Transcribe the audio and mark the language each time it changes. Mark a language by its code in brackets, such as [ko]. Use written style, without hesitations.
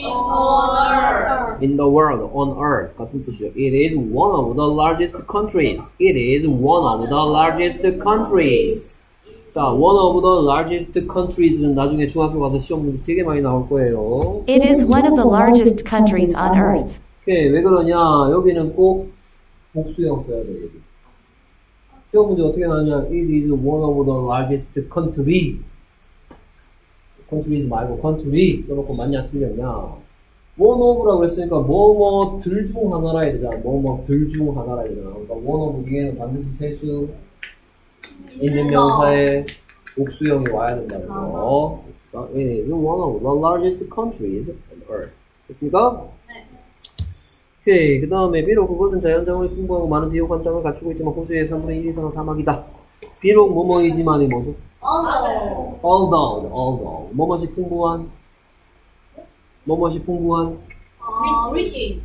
[en] in the world. In the world, on earth. It is one of the largest countries. It is one of the largest countries. [ko] 자, [en] one of the largest countries [ko] 는 나중에 중학교 가서 시험 문제 되게 많이 나올 거예요. [en] It is one of the largest countries on earth. [ko] 오케이, 왜 그러냐? 여기는 꼭 복수형 써야 돼. 여기. 시험 문제 어떻게 나오냐? [en] It is one of the largest country. countries [ko] 말고 [en] country [ko] 써놓고 맞냐 틀렸냐? [en] one of [ko] 라고 했으니까 뭐뭐 들 중 하나라 해야 되잖아. 뭐뭐 들 중 하나라 해야 되잖아. 그러니까 [en] one of [ko] 위에는 반드시 세수 있는 명사에 복수형이 와야 된다는 거. 됐습니까? [en] It is one of the largest countries on earth. [ko] 됐습니까? 네. 오케이. 그 다음에 비록 그것은 자연 자원이 풍부하고 많은 비옥한 땅을 갖추고 있지만 호주의 3분의 1 이상은 사막이다. 비록 뭐뭐이지만이 뭐죠? [en] Although. [ko] 뭐뭐이 풍부한? 뭐뭐이 풍부한? [en] Rich.